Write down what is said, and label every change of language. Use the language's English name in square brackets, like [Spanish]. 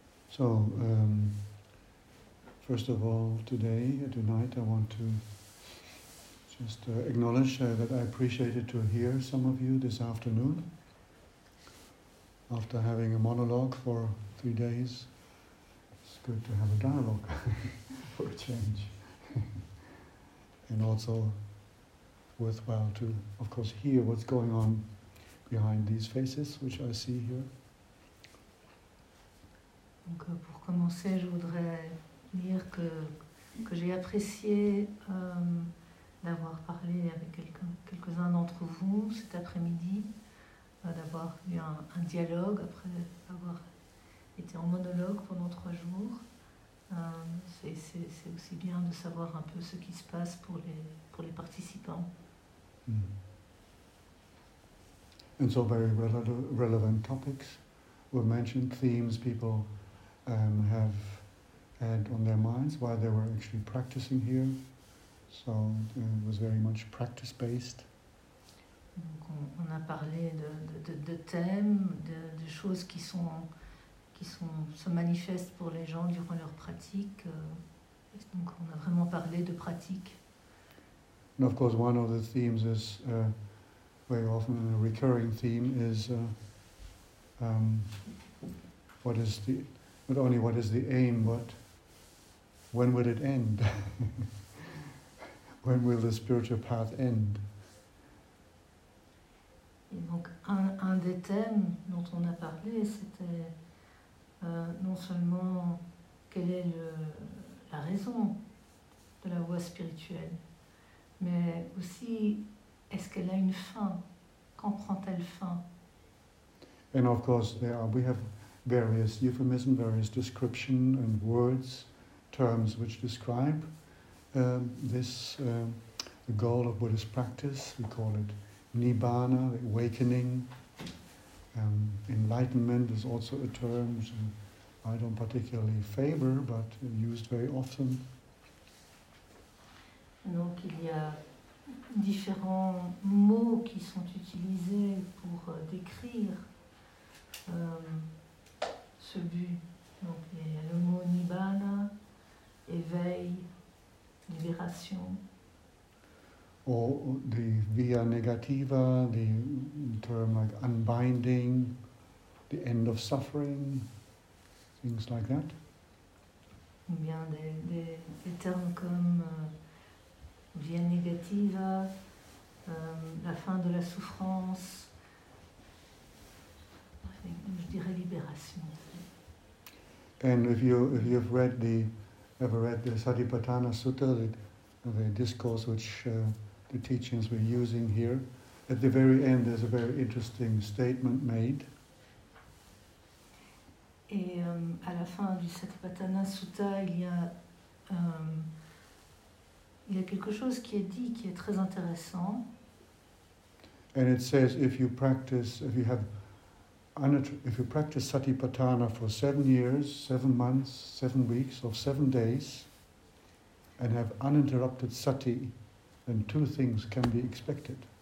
[English] So, first of all, today, tonight, I want to just acknowledge that I appreciated to hear some of you this afternoon after having a monologue for 3 days. It's good to have a dialogue for a change. And also worthwhile to, of course, hear what's going on behind these faces, which I see here. [French] Donc, pour commencer, je voudrais dire que j'ai apprécié d'avoir parlé avec quelques-uns d'entre vous cet après-midi, d'avoir eu un dialogue après avoir été en monologue pendant 3 jours. C'est aussi bien de savoir un peu ce qui se passe pour les participants. Mm. [English] And so very relevant topics were mentioned, themes people have had on their minds while they were actually practicing here. So it was very much practice-based. [French] Donc on a parlé de thèmes, de choses qui se manifestent pour les gens durant leur pratique. Donc on a vraiment parlé de pratique. [English] And of course, one of the themes is very often a recurring theme is what is the, not only what is the aim, but when will it end? When will the spiritual path end? [French] Et donc un des thèmes dont on a parlé, c'était non seulement quelle est la raison de la voie spirituelle, mais aussi est-ce qu'elle a une fin? Quand prend-elle fin? [English] And of course, there are, we have various euphemisms, various descriptions and words, terms which describe this the goal of Buddhist practice. We call it Nibbana, awakening. Enlightenment is also a term which I don't particularly favor, but used very often. [French] Donc il y a différents mots qui sont utilisés pour décrire ce but. Donc il y a le mot Nibbana, éveil, libération. [English] Or the via negativa, the term like unbinding, the end of suffering, things like that. [French] Ou bien des termes comme via negativa, la fin de la souffrance, je dirais libération. [English] And if you've ever read the Satipatthana Sutta, the discourse which the teachings we're using here, at the very end there's a very interesting statement made. [French] Et à la fin du Satipatthana Sutta, il y a quelque chose qui est dit qui est très intéressant. [English] And it says if you practice Satipatthana for 7 years, 7 months, 7 weeks, or 7 days, and have uninterrupted sati, then 2 things can be expected.